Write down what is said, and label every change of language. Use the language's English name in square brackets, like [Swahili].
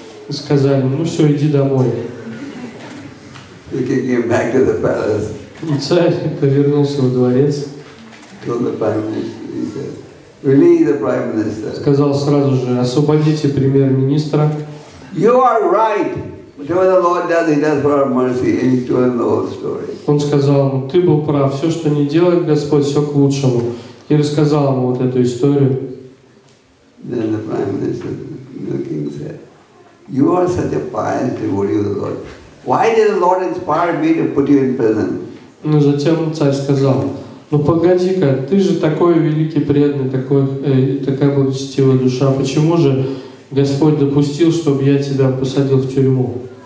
[Russian] Сказали, ну все, иди домой. [English] He came back to the palace. [Russian] И царь повернулся во дворец. [English] Told the prime minister, he said, "Release the prime minister." [Russian] Сказал сразу же, освободите премьер-министра. [English] You are right. Whatever the Lord does, He does for our mercy. He told him the whole story. [Russian] Он сказал ему, ты был прав, все, что не делает Господь, все к лучшему. И рассказал ему вот эту историю. [English] Then the prime minister, the king said, "You are such a pious devotee of the Lord. Why did the Lord inspire me to put you in prison?" [Russian] Ну затем царь сказал, ну погоди-ка, ты же такой великий преданный, такая благочестивая душа, почему же Господь допустил, чтобы я тебя посадил в тюрьму?